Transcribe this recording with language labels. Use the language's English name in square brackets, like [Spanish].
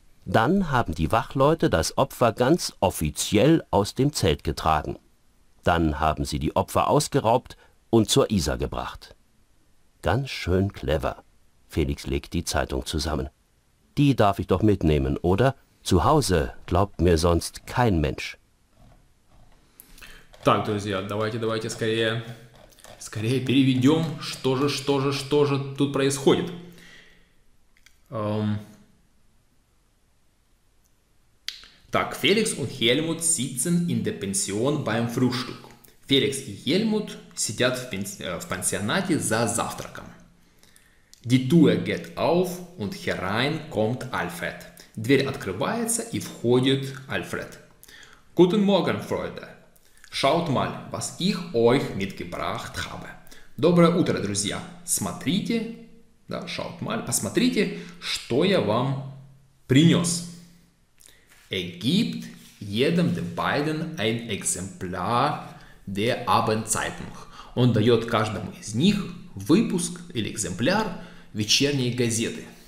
[German] Dann haben die Wachleute das Opfer ganz offiziell aus dem Zelt getragen. Dann haben sie die Opfer ausgeraubt und zur Isar gebracht. Ganz schön clever. Felix legt die Zeitung zusammen. Die darf ich doch mitnehmen, oder? Zu Hause glaubt mir sonst kein Mensch. [Russian] Так, друзья, давайте скорее переведем, что же тут происходит. [German] Так, Felix und Helmut sitzen in der Pension beim Frühstück. [Russian] Феликс и Хельмут сидят в пансионате за завтраком. [German] Die Tür geht auf und herein kommt Alfred. [Russian] Дверь открывается и входит Альфред. [German] Guten Morgen, Freunde. Schaut mal, was ich euch mitgebracht habe. [Russian] Доброе утро, друзья. Смотрите, да, [German] schaut mal, [Russian] посмотрите, что я вам принес. [German] Er gibt jedem der beiden ein Exemplar der Abendzeitung. [Russian] Он дает каждому из них выпуск или экземпляр вечерней газеты.